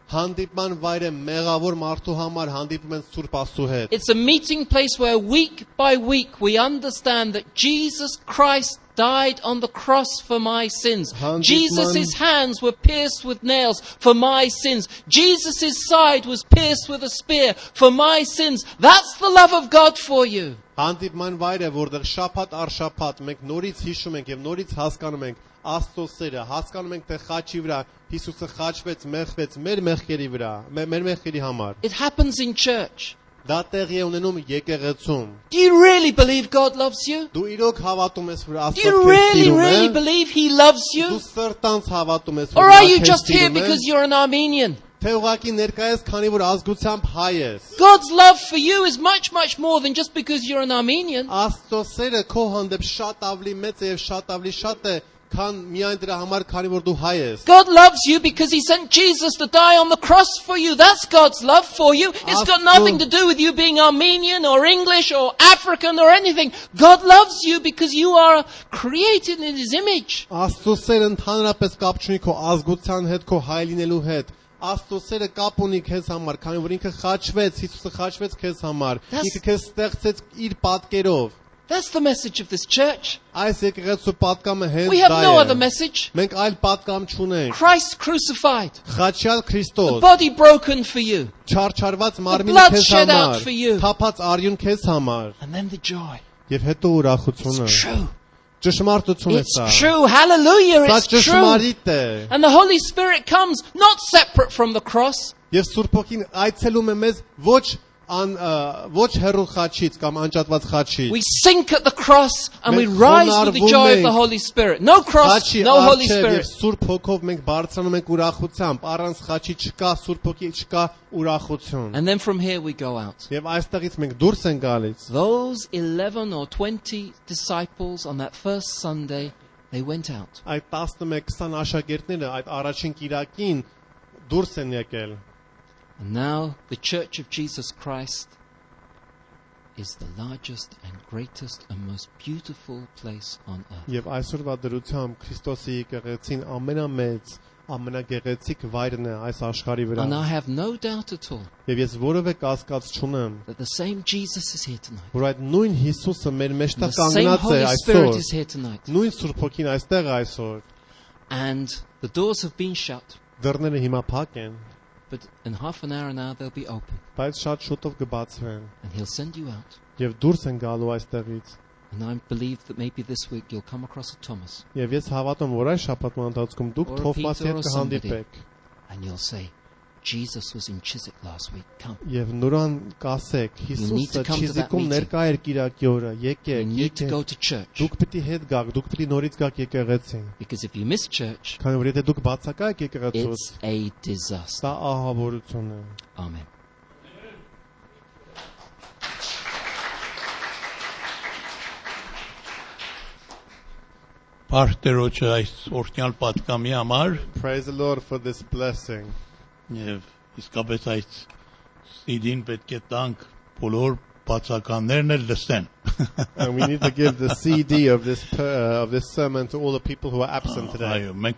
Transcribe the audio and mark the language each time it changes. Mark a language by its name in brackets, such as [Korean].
[Armenian] Հանդիպման վայր է մեղավոր մարդու համար հանդիպում են Սուրբ Աստծու հետ. [English] It's a meeting place where week by week we understand that Jesus Christ died on the cross for my sins. Jesus' hands were pierced with nails for my sins. Jesus' side was pierced with a spear for my sins. That's the love of God for you. [Armenian] Հանդիպման վայր է, որտեղ շաբաթ առ շաբաթ մենք նորից հիշում ենք եւ նորից հասկանում ենք Աստծո սերը, հասկանում ենք թե խաչի վրա Հիսուսը խաչվեց, մեղվեց մեր մեղքերի վրա, մեր մեղքերի համար. [English] It happens in church. [Armenian] Դա տեղ է ունենում եկեղեցում։ [English] Do you really believe God loves you? [Armenian] Դու իրոք հավատում ես, որ Աստծո քեզ սիրում է։ [English] Do you really, really believe He loves you? [Armenian] Դու սրտանց հավատում ես, որ Աստծո քեզ սիրում է։ [English] Or are you just here because you're an Armenian? [Armenian] Թե ուղղակի ներկայես, քանի որ ազգությամբ հայ ես։ [English] God's love for you is much, much more than just because you're an Armenian. [Armenian] Աստծո սերը քո հանդեպ շատ ավելի մեծ է եւ շատ ավելի շատ է, քան միայն դրա համար, քանի որ դու հայ ես։ [English] God loves you because he sent Jesus to die on the cross for you. That's God's love for you. It's got nothing to do with you being Armenian or English or African or anything. God loves you because you are created in his image. [Armenian] Աստծո սերը ընդհանրապես կապ չունի քո ազգության հետ, քո հայ լինելու հետ։ Աստծո սերը կապ ունի քեզ համար, քանի որ ինքը խաչվեց, Հիսուսը խաչվեց քեզ համար, ինքը քեզ ստեղծեց իր պատկերով։ [English] That's the message of this church. [Armenian] Այսեք գրեցու պատկամը հենց այն է։ [English] We have no other message. [Armenian] Մենք այլ պատկամ չունենք։ [English] Christ crucified. [Armenian] Խաչյալ Քրիստոս։ [English] The body broken for you. [Armenian] Չարչարված մարմինը քեզ համար։ Թափած արյուն քեզ համար։ [English] And then the joy. [Armenian] Եվ հետո ուրախությունը։ Ճշմարտություն է սա։ [English] It's true. Hallelujah. It's true. [Armenian] Սա ճշմարիտ է։ [English] And the Holy Spirit comes not separate from the cross. [Armenian] Եվ Սուրբ Հոգին այցելում է մեզ ոչ ան ոչ հեռու խաչից կամ անջատված խաչից [English] We sink at the cross and we rise with the joy of the Holy Spirit. No cross, no Holy Spirit. [Armenian] Եվ Սուրբ Հոգով մենք բարձրանում ենք ուրախությամբ։ Առանց խաչի չկա Սուրբ Հոգի, չկա ուրախություն։ [English] And then from here we go out. [Armenian] Եվ այստեղից մենք դուրս ենք գալիս։ [English] Those 11 or 20 disciples on that first Sunday, they went out. [Armenian] Այդ 11-20 աշակերտները այդ առաջին կիրակին դուրս են եկել։ [English] And now the Church of Jesus Christ is the largest and greatest and most beautiful place on earth. [Armenian] Եվ այսօրվա դրությամբ Քրիստոսի եկեղեցին ամենամեծ, ամենագեղեցիկ վայրն է այս աշխարհի վրա։ [English] And I have no doubt at all. [Armenian] Եվ ես որևէ կասկած չունեմ։ [English] That the same Jesus is here tonight. [Armenian] Որ այդ նույն Հիսուսը մեր մեջտեղ կանգնած է այսօր։ Նույն Սուրբ Հոգին այստեղ է այսօր։ [English] And the doors have been shut. [Armenian] Դռները հիմա փակ են։ [English] But in half an hour now they'll be open. [Armenian] Բայց շատ շուտով կբացվեն։ [English] And he'll send you out. [Armenian] Եվ դուրս են գալու այստեղից։ [English] And I believe that maybe this week you'll come across a Thomas. [Armenian] Եվ ես հավատում եմ, որ այս շաբաթման ընթացքում դուք Թովմասի հետ կհանդիպեք։ [English] And you'll say, Jesus was in Chiswick last week. Come. [Armenian] Եվ նորան կասեք, Հիսուսը Չիզիկում ներկա էր կիրակի օրը, եկեք։ Դուք պիտի հետ գաք, դուք պիտի նորից գաք եկեղեցին։ [English] Because if you miss church, [Armenian] քանի որ եթե դուք բացակայեք եկեղեցուց, [English] it's a disaster. [Armenian] Սա ահավորություն է։ Ամեն։ Պարտերոջ այս օրնյալ պատկամի համար, [English] Praise the Lord for this blessing. [Armenian] Եվ իսկապես այդ CD-ին պետք է տանք բոլոր բացականներն էլ լսեն։ [English] And we need to give the CD of this of this sermon to all the people who are absent today.